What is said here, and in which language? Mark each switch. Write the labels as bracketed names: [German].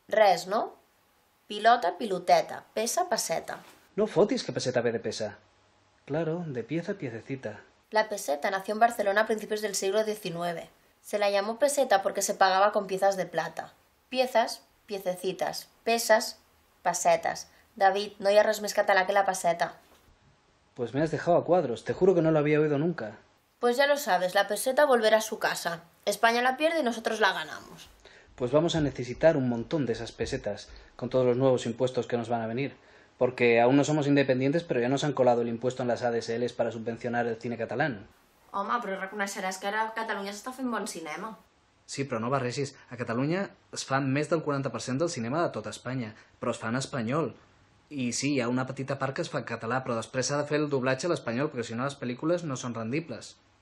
[Catalan] Res, ¿no? Pilota, piloteta. Pesa, peseta. No fotis que peseta ve de pesa. [Spanish] Claro, de pieza a piececita. La peseta nació en Barcelona a principios del siglo XIX. Se la llamó peseta porque se pagaba con piezas de plata. Piezas, piececitas. Pesas, pesetas. [Catalan] David, no hi ha res més català que la peseta. [Spanish] Pues me has dejado a cuadros. Te juro que no lo había oído nunca. Pues ya lo sabes, la peseta volverá a su casa. España la pierde y nosotros la ganamos. Pues vamos a necesitar un montón de esas pesetas, con todos los nuevos impuestos que nos van a venir. Porque aún no somos independientes, pero ya nos han colado el impuesto en las ADSLs para subvencionar el cine catalán. [Catalan] Home, però reconeixeràs que ara a Catalunya s'està fent bon cinema. Sí, però no barregis. A Catalunya es fa més del 40% del cinema de tot Espanya, però es fa en espanyol. I sí, hi ha una petita part que es fa en català, però després s'ha de fer el doblatge a l'espanyol, perquè si no les pel·lícules no són rendibles.